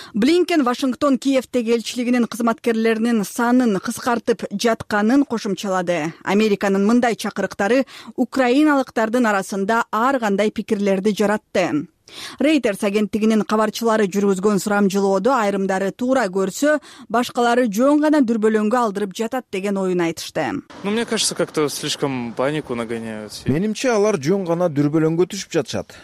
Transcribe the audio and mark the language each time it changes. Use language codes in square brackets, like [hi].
[ky] Блинкен Вашингтон Киевтеги элчилигинин кызматкерлеринин санын кыскартып жатканын кошумчалады. Американын мындай чакырыктары украиналыктардын арасында ар кандай пикирлерди жаратты. Рейтерс агенттигинин кабарчылары жүргүзгөн сурамжылоодо айрымдары туура көрсө, башкалары жөн гана дүрбөлөңгө алдырып жатат деген оюн айтышты. [ru] Ну, мне кажется, как-то слишком панику нагоняют. [ky] Менимче алар жөн гана дүрбөлөңгө түшүп жатышат.